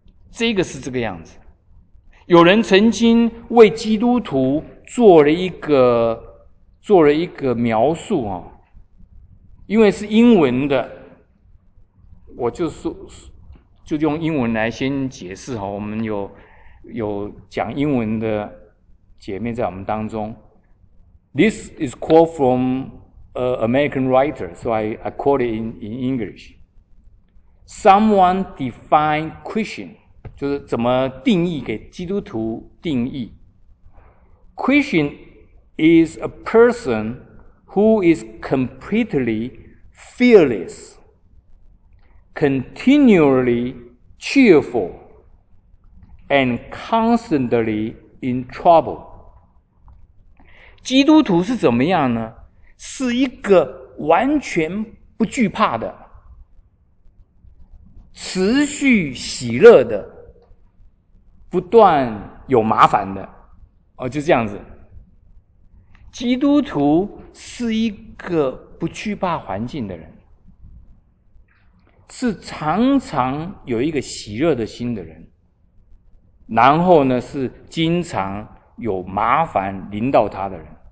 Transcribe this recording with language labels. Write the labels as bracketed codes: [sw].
[zh] 这个是这个样子。有人曾经为基督徒做了一个描述啊，因为是英文的，我就用英文来先解释啊。我们有讲英文的姐妹在我们当中。 [en] This is quote from American writer, so I quote it in English. Someone defined Christian, [zh] 就是怎么定义，给基督徒定义。 [en] Christian is a person who is completely fearless, continually cheerful, and constantly in trouble. [zh] 基督徒是怎么样呢？是一个完全不惧怕的，持续喜乐的，不断有麻烦的，哦，就这样子。基督徒是一个不惧怕环境的人，是常常有一个喜乐的心的人，然后呢，是经常有麻烦临到他的人。